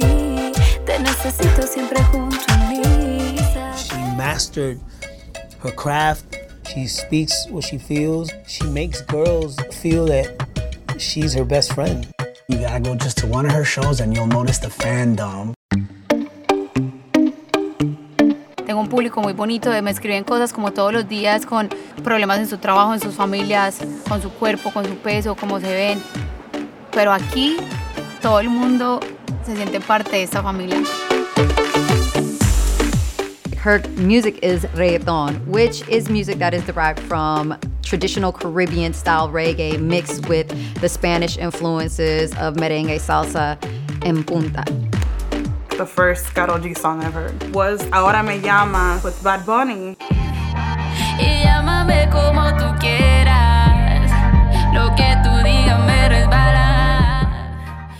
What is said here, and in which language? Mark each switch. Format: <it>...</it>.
<en>She mastered her craft. She speaks what she feels. She makes girls feel that she's her best friend. You gotta go just to one of her shows and you'll notice the fandom.</en> <es>Tengo un público muy bonito. Me escriben cosas como todos los días con problemas en su trabajo, en sus familias, con su cuerpo, con su peso, cómo se ven. Pero aquí, todo el mundo se siente parte de esta familia.</es> <en>Her music is reggaeton, which is music that is derived from traditional Caribbean style reggae mixed with the Spanish influences of merengue, salsa, and punta. The first Karol G song I've heard was Ahora Me Llama with Bad Bunny.</en> <es>Y llámame como tú quieras, lo que tú digas me resbala.</es>